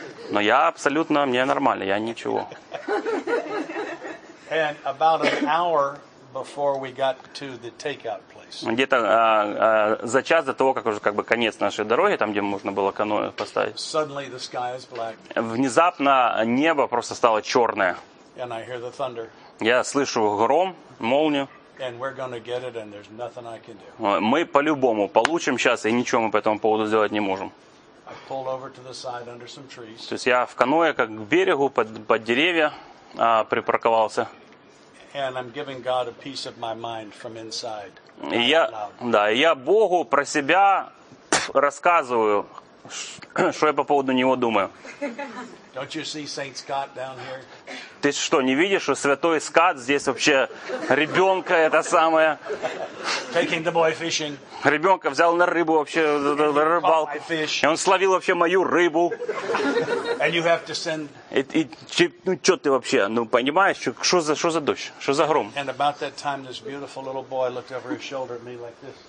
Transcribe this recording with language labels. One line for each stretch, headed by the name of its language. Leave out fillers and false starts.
Russian: Но я абсолютно, мне нормально, я ничего.
English: And about an hour before we got to the takeout place.
Russian: Где-то за час до того, как уже как бы конец нашей дороги, там, где можно было каноэ поставить.
English: Suddenly the sky is black.
Russian: Внезапно небо просто стало черное.
English: And I hear the thunder.
Russian: Я слышу гром, молнию.
English: And we're gonna get it, and there's nothing I can do.
Russian: Мы по-любому получим сейчас, и ничего мы по этому поводу сделать не можем.
English: I pulled over to the side under some trees.
Russian: То есть я в каноэ, как к берегу, под деревья припарковался.
English: And I'm giving God a piece of my mind from inside.
Russian: Я Богу про себя рассказываю, что я по поводу него думаю.
English: Don't you see Saint Scott down here?
Russian: Ты что, не видишь, что святой Скат здесь вообще ребенка это самое?
English: Taking the boy fishing.
Russian: Ребенка взял на рыбу вообще, на рыбалку.
English: My fish.
Russian: И он словил вообще мою рыбу.
English: And you have to send...
Russian: Ну что ты вообще, ну понимаешь, что за дождь, что за гром?
English: And about that time this beautiful little boy looked over his shoulder at me like this.